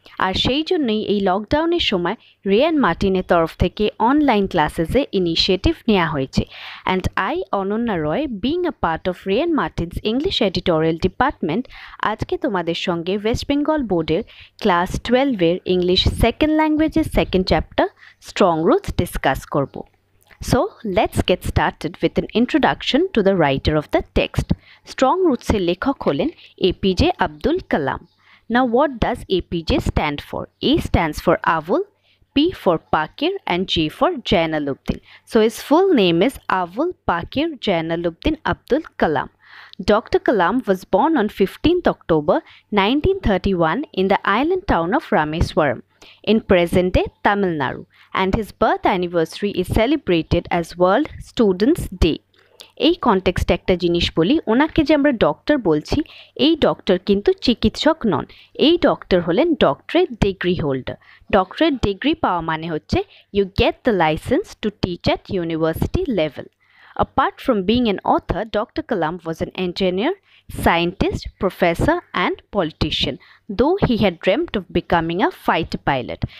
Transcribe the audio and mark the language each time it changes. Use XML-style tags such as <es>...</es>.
<bn>আর সেই জন্যই এই লকডাউনের সময় রে অ্যান্ড মার্টিনের তরফ থেকে অনলাইন ক্লাসেসে ইনিশিয়েটিভ নেওয়া হয়েছে।</bn> <en>and I Ananya Roy, being a part of Ray and Martin's English editorial department,</en> <bn>আজকে তোমাদের সঙ্গে ওয়েস্ট বেঙ্গল বোর্ডের ক্লাস টুয়েলভের English second ল্যাঙ্গুয়েজের second chapter strong rules discuss করব।</bn> <en>So let's get started with an introduction to the writer of the text.</en> <bn>Strong Roots er lekhok holen APJ Abdul Kalam.</bn> <en>Now what does APJ stand for? A stands for Avul, P for Pakir and J for Jainalabdin. So his full name is Avul Pakir Jainalabdin Abdul Kalam. Dr. Kalam was born on 15th October 1931 in the island town of Rameswaram in present-day Tamil Nadu, and his birth anniversary is celebrated as World Students Day.</en> <bn>এই কনটেক্সটে একটা জিনিস বলি, ওনাকে যে আমরা doctor বলছি, এই doctor কিন্তু চিকিৎসক নন, এই ডক্টর হলেন doctorate degree holder. Doctorate degree পাওয়া মানে হচ্ছে</bn> <en>You get the licence to teach at university level. Apart from being an author, Dr. Kalam was an engineer, scientist, professor and politician, though he had dreamt of becoming a fighter pilot.</en>